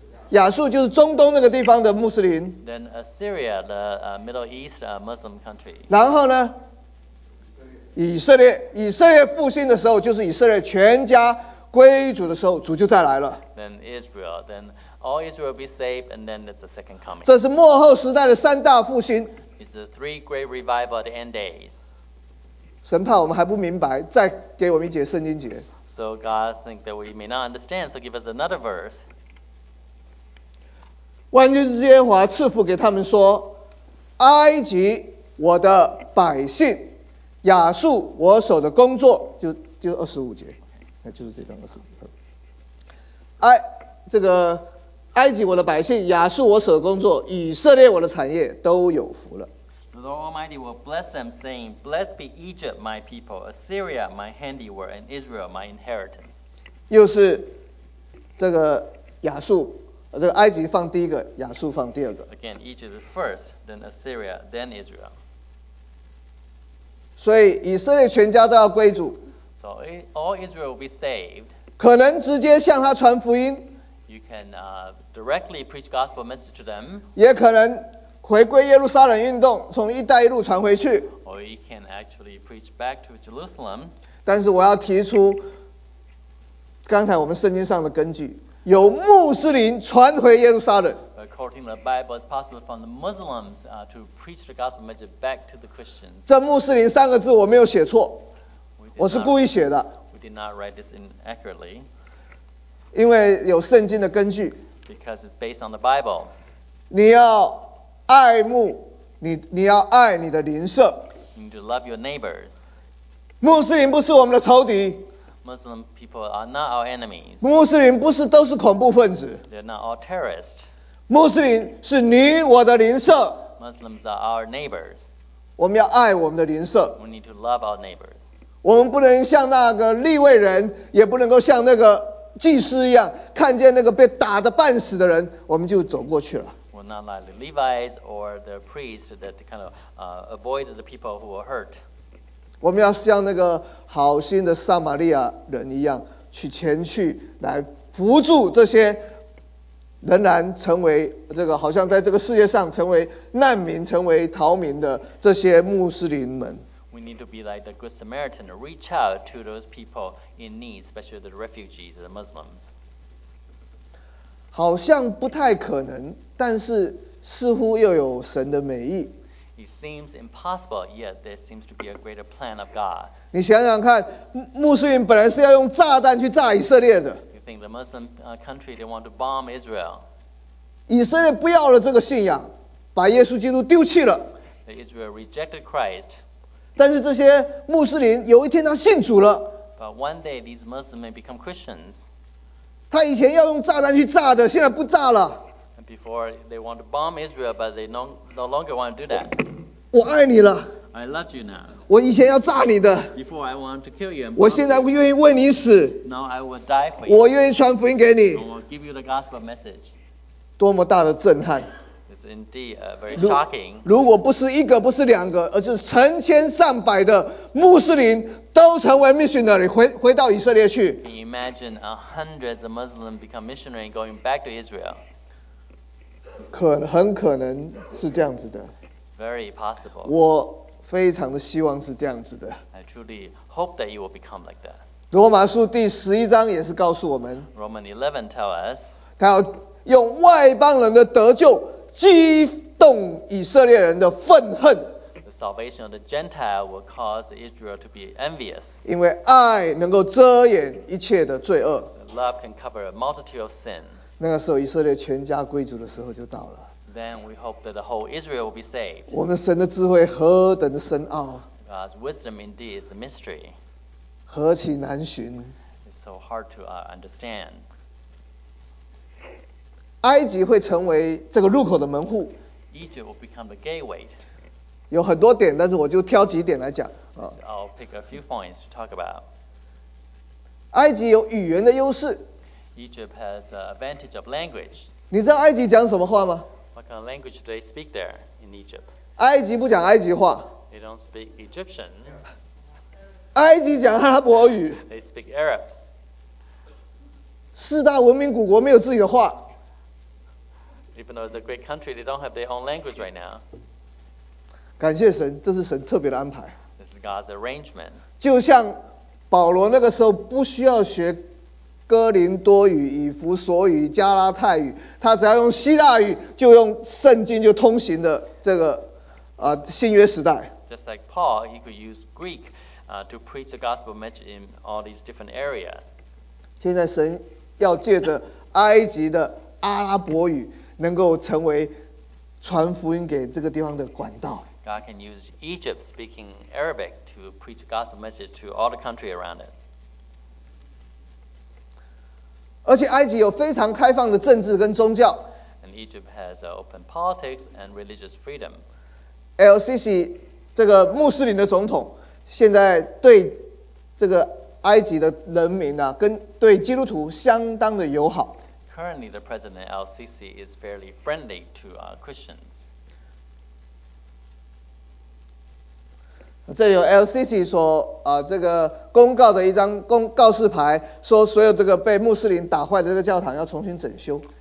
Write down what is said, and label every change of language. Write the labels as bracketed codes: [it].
[zh] 亚述就是中东那个地方的穆斯林。 [en] Then Assyria, the Middle East Muslim country. [zh] 然后呢？以色列复兴的时候，就是以色列全家归主的时候，主就再来了。 [en] Then Israel, then all Israel will be saved, and then it's the second coming. [zh] 这是末后时代的三大复兴。 [en] It's the three great revival at the end days. [zh] 神怕我们还不明白，再给我们一节圣经节。 [en] So God think that we may not understand, so give us another verse. [zh] 万军之耶和华赐福给他们说：“埃及，我的百姓。” 亚述我手的工作就二十五节，那就是这张二十五节。这个埃及我的百姓，亚述我手的工作，以色列我的产业都有福了。 [en] The Lord Almighty will bless them, saying, "Blessed be Egypt, my people; Assyria, my handiwork; and Israel, my inheritance." [zh] 又是这个亚述，这个埃及放第一个，亚述放第二个。 [en] Again, Egypt first, then Assyria, then Israel. [zh] 所以以色列全家都要归主。 [en] So all Israel will be saved. [zh] 可能直接向他传福音。 [en] You can directly preach gospel message to them. [zh] 也可能回归耶路撒冷运动，从一带一路传回去。 [en] Or you can actually preach back to Jerusalem. [zh] 但是我要提出刚才我们圣经上的根据，有穆斯林传回耶路撒冷。 [en] According to the Bible, it's possible from the Muslims to preach the gospel message back to the Christians. [zh] 这穆斯林三个字我没有写错，我是故意写的。 [en] We did not write this inaccurately. [zh] 因为有圣经的根据。 [en] Because it's based on the Bible. [zh] 你要爱慕你要爱你的邻舍。 [en] You need to love your neighbors. [zh] 穆斯林不是我们的仇敌。 [en] Muslim people are not our enemies. [zh] 穆斯林不是都是恐怖分子。 [en] They're not all terrorists. [zh] 穆斯林是你我的邻舍。 [en] Muslims are our neighbors. [zh] 我们要爱我们的邻舍。 [en] We need to love our neighbors. [zh] 我们不能像那个利未人，也不能够像那个祭司一样，看见那个被打得半死的人，我们就走过去了。 [en] We're not like the Levites or the priests that kind of avoid the people who were hurt. [zh] 我们要像那个好心的撒玛利亚人一样，去前去来扶助这些。仍然成为这个，好像在这个世界上成为难民、成为逃民的这些穆斯林们。 [en] We need to be like the Good Samaritan, reach out to those people in need, especially the refugees, the Muslims. [zh] 好像不太可能，但是似乎又有神的美意。 [en] It seems impossible, yet there seems to be a greater plan of God. [zh] 你想想看，穆斯林本来是要用炸弹去炸以色列的。 [en] The Muslim country they want to bomb Israel. [zh] 以色列不要了这个信仰，把耶稣基督丢弃了。 [en] The Israel rejected Christ. [zh] 但是这些穆斯林有一天他信主了。 [en] But one day these Muslims may become Christians. [zh] 他以前要用炸弹去炸的，现在不炸了。 [en] And before they want to bomb Israel, but they no longer want to do that. [zh] 我爱你了。 [en] I love you now. [zh] 我以前要炸你的。 [en] Before I want to kill you. [zh] 我现在愿意为你死。 [en] Now I will die for you. [zh] 我愿意传福音给你。 [en] I will give you the gospel message. [zh] 多么大的震撼！ [en] Indeed, very shocking. [zh] 如果不是一个，不是两个，而是成千上百的穆斯林都成为 missionary， 回到以色列去。 [en] Can you imagine a hundreds of Muslims become missionary going back to Israel? [zh] 很可能是这样子的。 [en] It's very possible. [zh] 我非常的希望是这样子的。 [en] I truly hope that you will become like that. [zh] 罗马书第十一章也是告诉我们。 [en] Roman 11 tell us. [zh] 他要用外邦人的得救。激动以色列人的愤恨。 [en] The salvation of the Gentile will cause Israel to be envious. [zh] 因为爱能够遮掩一切的罪恶。 [en] Love can cover a multitude of sin. [zh] 那个时候以色列全家归主的时候就到了。 [en] Then we hope that the whole Israel will be saved. [zh] 我们神的智慧何等的深奥。 [en] God's wisdom indeed is a mystery. [zh] 何其难寻。 [en] It's so hard to understand. [zh] 埃及会成为这个入口的门户。 [en] Egypt will become the gateway. [zh] 有很多点，但是我就挑几点来讲。 [en] I'll pick a few points to talk about. [zh] 埃及有语言的优势。 [en] Egypt has an advantage of language. [zh] 你知道埃及讲什么话吗？ [en] What kind of language do they speak there in Egypt? [zh] 埃及不讲埃及话。 [en] They don't speak Egyptian. [zh] 埃及讲阿拉伯语。 [en] They speak Arabs. [zh] 四大文明古国没有自己的话。 [en] Even though it's a great country, they don't have their own language right now. [zh] 感谢神，这是神特别的安排。 [en] This is God's arrangement. [zh] 就像保罗那个时候不需要学哥林多语、以弗所语、加拉太语，他只要用希腊语，就用圣经就通行的这个新约时代。 [en] Just like Paul, he could use Greek to preach the gospel message in all these different areas. [zh] 现在神要借着埃及的阿拉伯语。能够成为传福音给这个地方的管道。 [en] God can use Egypt speaking Arabic to preach gospel message to all the country around it. [zh] 而且埃及有非常开放的政治跟宗教。 [en] And Egypt has open politics and religious freedom. [zh] LCC 这个穆斯林的总统现在对这个埃及的人民啊，跟对基督徒相当的友好。 [en] Currently, the president of LCC is fairly friendly to Christians. [zh] 这里有 LCC 说这个公告的一张公告示牌，说所有这个被穆斯林打坏的这个教堂要重新整修。